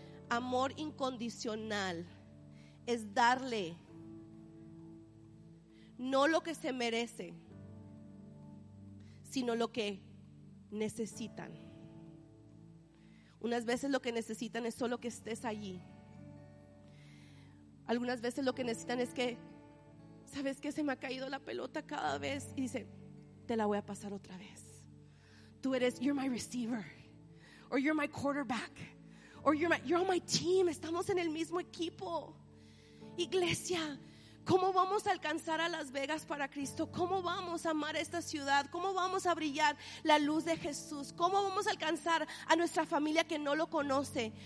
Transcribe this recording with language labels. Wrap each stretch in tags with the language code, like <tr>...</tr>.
<es>Amor incondicional es darle no lo que se merece, sino lo que necesitan. Unas veces lo que necesitan es solo que estés allí. Algunas veces lo que necesitan es que, ¿sabes qué? Se me ha caído la pelota cada vez. Y dice, te la voy a pasar otra vez. Tú eres,</es> <en>you're my receiver. Or you're my quarterback. Or you're on my team.</en> <es>Estamos en el mismo equipo. Iglesia, ¿Cómo vamos a alcanzar a Las Vegas para Cristo? ¿Cómo vamos a amar esta ciudad? ¿Cómo vamos a brillar la luz de Jesús? ¿Cómo vamos a alcanzar a nuestra familia que no lo conoce?</es>